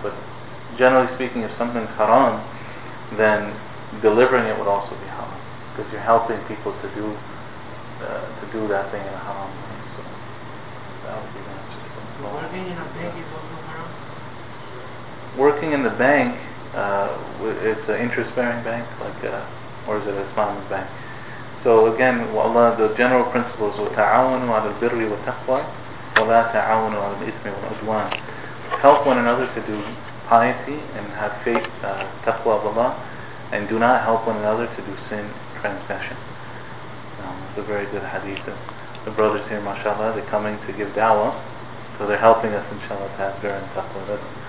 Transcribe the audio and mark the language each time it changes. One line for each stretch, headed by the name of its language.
English: But generally speaking, if something's haram, then delivering it would also be haram, because you're helping people to do that thing in a haram way. So that would be the answer. Working in a bank is also haram? Working in the bank, it's an interest-bearing bank, like, or is it a Islamic bank? So again, Allah, the general principles:
Arabic: وَتَعَاوَنُوا عَلَى الْبِرِّ وَتَقْوَى وَلَا تَعَاوَنُوا عَلَى الْإِثْمِ وَالْعُدْوَانِ.
English: Help one another to do piety and have faith, taqwa of Allah, and do not help one another to do sin, transgression. It's a very good hadith. The brothers here, mashallah, they're coming to give da'wah, so they're helping us, inshallah, to have bir and taqwa.